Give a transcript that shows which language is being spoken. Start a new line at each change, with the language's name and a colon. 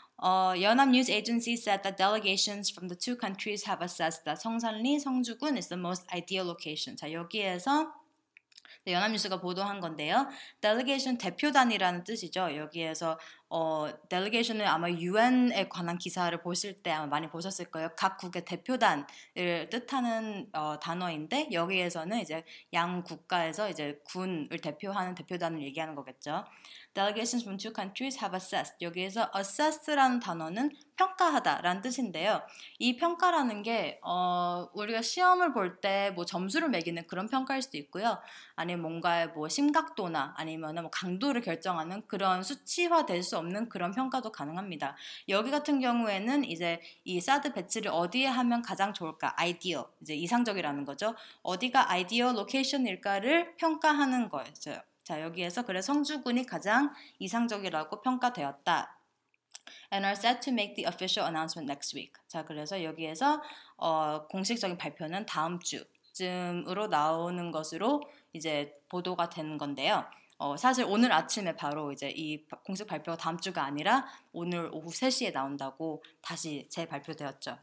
English: Yonam News Agency said that delegations from the two countries have assessed that 성산리, 성주군 is the most ideal location.
Korean: 자, 여기에서 연합뉴스가 보도한 건데요. Delegation 대표단이라는 뜻이죠. 여기에서 Delegation은 아마 UN에 관한 기사를 보실 때 아마 많이 보셨을 거예요. 각국의 대표단을 뜻하는 단어인데 여기에서는 이제 양 국가에서 이제 군을 대표하는 대표단을 얘기하는 거겠죠.
English: Delegations from two countries have assessed.
Korean: 여기에서 assess라는 단어는 평가하다라는 뜻인데요. 이 평가라는 게 우리가 시험을 볼 때 뭐 점수를 매기는 그런 평가일 수도 있고요. 아니면 뭔가의 뭐 심각도나 아니면 뭐 강도를 결정하는 그런 수치화될 수 없는 그런 평가도 가능합니다. 여기 같은 경우에는 이제 이 사드 배치를 어디에 하면 가장 좋을까? Ideal, 이제 이상적이라는 거죠. 어디가 ideal location일까를 평가하는 거였어요. 자, 여기에서 그래 성주군이 가장 이상적이라고 평가되었다.
English: And are set to make the official announcement next week.
Korean: 자, 그래서 여기에서 공식적인 발표는 다음 주쯤으로 나오는 것으로 이제 보도가 되는 건데요. 사실 오늘 아침에 바로 이제 이 공식 발표가 다음 주가 아니라 오늘 오후 3시에 나온다고 다시 재발표되었죠.